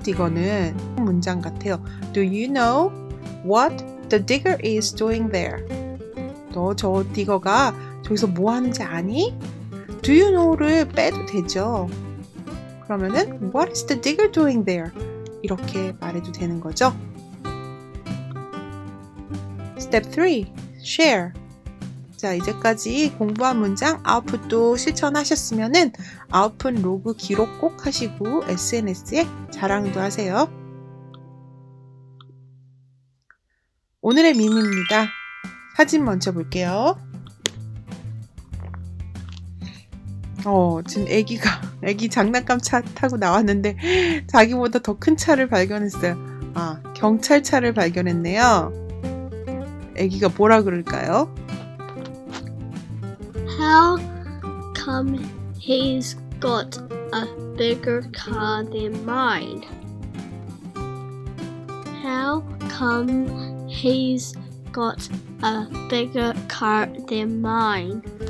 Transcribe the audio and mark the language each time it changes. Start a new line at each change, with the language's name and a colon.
Korean: 이거는 문장 같아요.
English: Do you know what the digger is doing there?
Korean: 너 저 디거가 저기서 뭐 하는지 아니?
English: Do you know를
Korean: 빼도 되죠. 그러면은
English: What is the digger doing there?
Korean: 이렇게 말해도 되는 거죠.
English: Step 3. Share.
Korean: 자, 이제까지 공부한 문장 아웃풋도 실천하셨으면은 아웃풋 로그 기록 꼭 하시고 SNS에 자랑도 하세요. 오늘의 밈입니다. 사진 먼저 볼게요. 지금 애기 장난감 차 타고 나왔는데 자기보다 더 큰 차를 발견했어요. 아, 경찰차를 발견했네요. 애기가 뭐라 그럴까요?
English: How come he's got a bigger car than mine? How come he's got a bigger car than mine?